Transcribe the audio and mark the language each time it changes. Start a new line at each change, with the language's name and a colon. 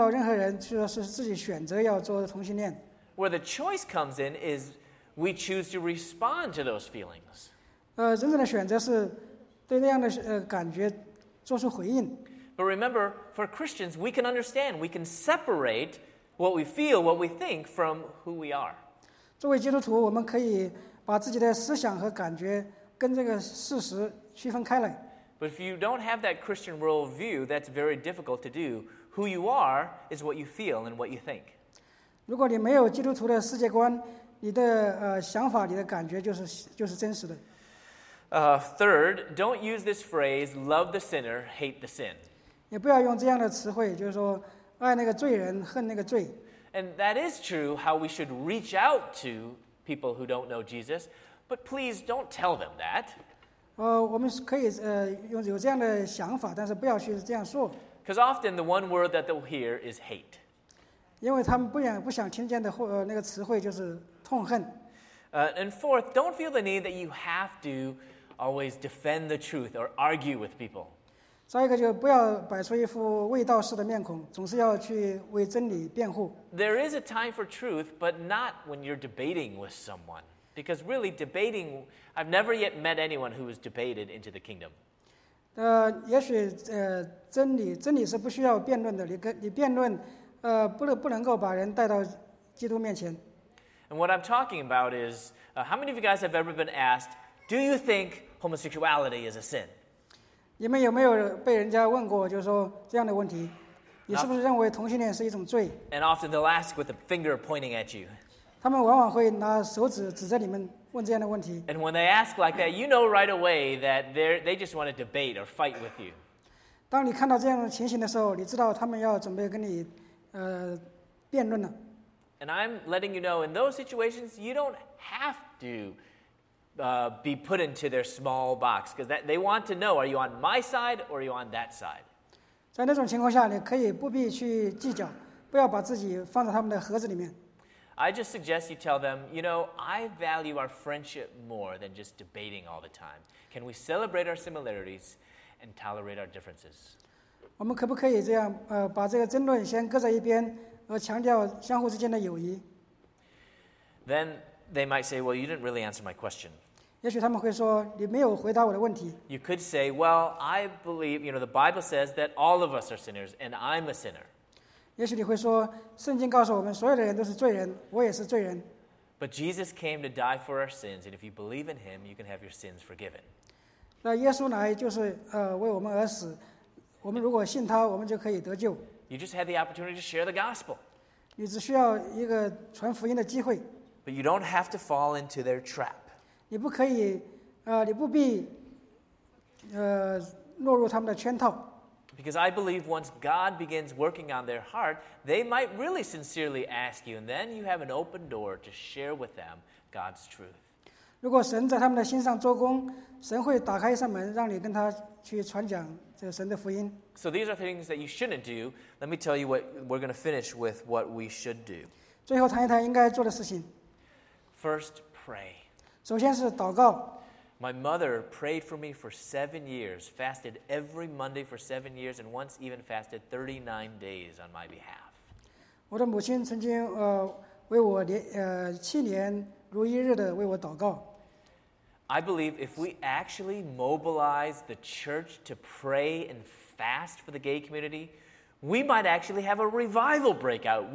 Chinese: 他说，我并没有碰到任何人说是自己选择要做同性恋。
English: Where the choice comes in is we choose to respond to those feelings.
Chinese: 真正的选择是对那样的感觉做出回应。
English: But remember, for Christians, we can understand, we can separate what we feel, what we think, from who we are.
Chinese: 作为基督徒，我们可以把自己的思想和感觉跟这个事实区分开来。
English: But if you don't have that Christian worldview, that's very difficult to do. Who you are is what you feel and what you think.
Chinese: 如果你没有基督徒的世界观，你的想法、你的感觉就是真实的。
English: Third, don't use this phrase, love the sinner, hate the sin.
Chinese: 也不要用这样的词汇，就是说爱那个罪人，恨那个罪。
English: And that is true how we should reach out to people who don't know Jesus, but please don't tell them that.
Chinese: 我们可以有这样的想法，但是不要去这样说。
English: Because often the one word that they'll hear is hate.
Chinese: 因为他们不想听见的那个词汇就是痛恨。
English: And fourth, don't feel the need that you have to always defend the truth or argue with people.
Chinese: 再一个就不要摆出一副卫道士的面孔，总是要去为真理辩护。
English: There is a time for truth, but not when you're debating with someone. Because really debating, I've never yet met anyone who was debated into the kingdom.
Chinese: 也许真理是不需要辩论的，你辩论，不能够把人带到基督面前。
English: And what I'm talking about is, how many of you guys have ever been asked, do you think homosexuality is a sin?
Chinese: 你们有没有被人家问过，就是说这样的问题，你是不是认为同性恋是一种罪？
English: And often they'll ask with a finger pointing at you.
Chinese: 他们往往会拿手指指着你们问这样的问题。
English: And when they ask like that, you know right away that they just want to debate or fight with you.
Chinese: 当你看到这样的情形的时候，你知道他们要准备跟你，辩论了。
English: And I'm letting you know, in those situations, you don't have to be put into their small box, because they want to know, are you on my side or are you on that side?
Chinese: 在那种情况下，你可以不必去计较，不要把自己放在他们的盒子里面。
English: I just suggest you tell them, you know, I value our friendship more than just debating all the time. Can we celebrate our similarities and tolerate our differences?
Chinese: 我们可不可以这样，把这个争论先搁在一边？
English: Then they might say, well, you didn't really answer my question.
Chinese: 也许他们会说，你没有回答我的问题。
English: You could say, well, I believe, you know, the Bible says that all of us are sinners, and I'm a sinner.
Chinese: 也许你会说，圣经告诉我们，所有的人都是罪人，我也是罪人。
English: But Jesus came to die for our sins, and if you believe in him, you can have your sins forgiven.
Chinese: 那耶稣来就是为我们而死，我们如果信他，我们就可以得救。
English: You just had the opportunity to share the gospel.
Chinese: 你只需要一个传福音的机会。
English: But you don't have to fall into their trap.
Chinese: 你不可以，你不必，落入他们的圈套。
English: Because I believe once God begins working on their heart, they might really sincerely ask you, and then you have an open door to share with them God's truth.
Chinese: 如果神在他们的心上做工，神会打开一扇门，让你跟他去传讲。
English: So these are things that you shouldn't do. Let me tell you what we're going to finish with what we should do.
Chinese: 最后谈一谈应该做的事情。
English: First, pray.
Chinese: 首先是祷告。
English: My mother prayed for me for 7 years, fasted every Monday for 7 years, and once even fasted 39 days on my behalf.
Chinese: 我的母亲曾经为我7年如一日的为我祷告。
English: I believe if we actually mobilize the church to pray and fast for the gay community, we might actually have a revival breakout.